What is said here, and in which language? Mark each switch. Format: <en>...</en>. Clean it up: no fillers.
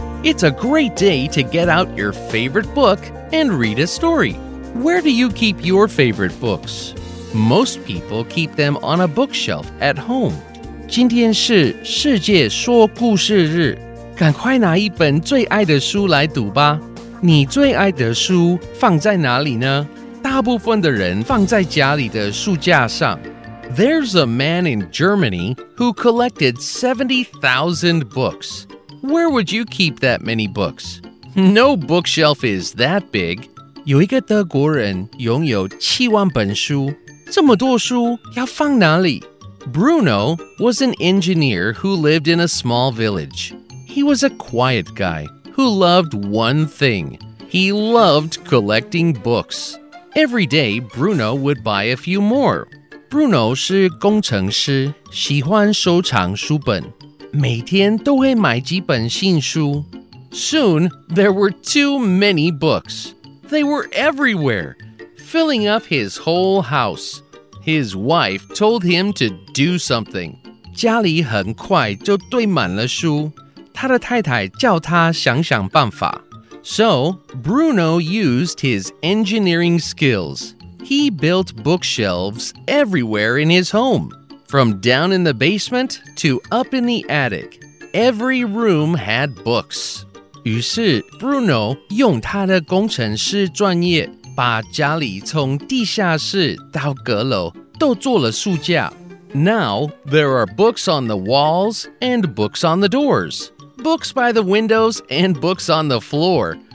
<en>It's a great day to get out your favorite book and read a story. Where do you keep your favorite books? Most people keep them on a bookshelf at home.</en> <zh>今天是世界说故事日，赶快拿一本最爱的书来读吧。你最爱的书放在哪里呢？大部分的人放在家里的书架上。</zh> <en>There's a man in Germany who collected 70,000 books. Where would you keep that many books? No bookshelf is that big.</en> <zh>有一个德国人拥有七万本书，这么多书要放哪里？</zh> <en>Bruno was an engineer who lived in a small village. He was a quiet guy who loved one thing. He loved collecting books. Every day, Bruno would buy a few more.</en> <zh>Bruno 是工程师，喜欢收藏书本，每天都会买几本新书。</zh> <en>Soon, there were too many books. They were everywhere, filling up his whole house. His wife told him to do something.</en> <zh>家里很快就堆满了书，他的太太叫他想想办法。</zh> <en>So, Bruno used his engineering skills. He built bookshelves everywhere in his home, from down in the basement to up in the attic. Every room had books.</en> <zh>于是 Bruno 用他的工程师专业把家里从地下室到阁楼都做了书架。</zh> <en>Now, there are books on the walls and books on the doors, books by the windows and books on the floor.</en>